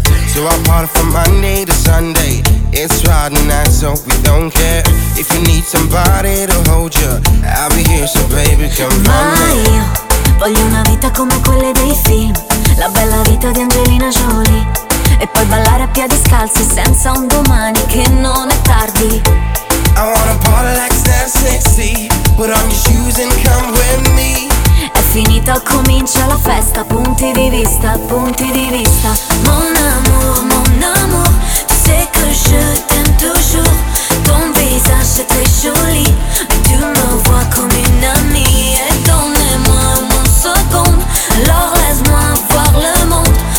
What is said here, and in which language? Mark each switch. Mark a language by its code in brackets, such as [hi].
[en] So I party from Monday to Sunday. It's Friday night, so we don't care. If you need somebody to hold you, I'll be here, so baby, come on. [it] Ma io voglio una vita come quelle dei film, la bella vita di Angelina Jolie, e poi ballare a piedi scalzi senza un domani, che non è tardi. [en] I wanna party like Stan Smithy. Put on your shoes and come with me. [it] È finita, comincia la festa. Punti di vista, punti di vista. [fr] Mon amour, mon amour. Tu sais que je t'aime toujours. Ton visage est très joli. Mais tu me vois comme une amie. Et donnez-moi mon second. Alors laisse-moi voir le monde.